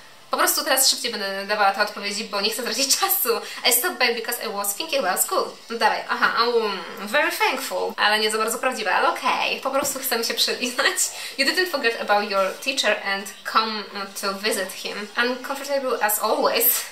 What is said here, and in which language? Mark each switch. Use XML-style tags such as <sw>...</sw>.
<pl>Po prostu teraz szybciej będę dawała te odpowiedzi, bo nie chcę tracić czasu.</pl> <en>I stopped by because I was thinking about school.</en> <pl>No dawaj, very thankful. Ale nie za bardzo prawdziwe, ale okej. Po prostu chcę mi się przyznać.</pl> <en>You didn't forget about your teacher and come to visit him. Uncomfortable as always.</en>